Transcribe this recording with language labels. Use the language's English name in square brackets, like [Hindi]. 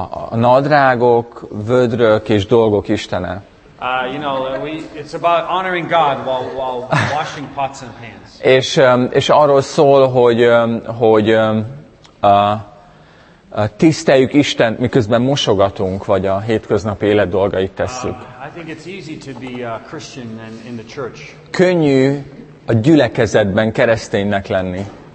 [Hungarian] A nadrágok, vödrök és dolgok istene. [English] It's about honoring God while washing pots and pans. [Hungarian] És arról szól, hogy tiszteljük Istent, miközben mosogatunk, vagy a hétköznapi élet dolgait tesszük. [English] I think it's easy to be a Christian and in the church. [Hungarian] Könnyű a gyülekezetben kereszténynek lenni.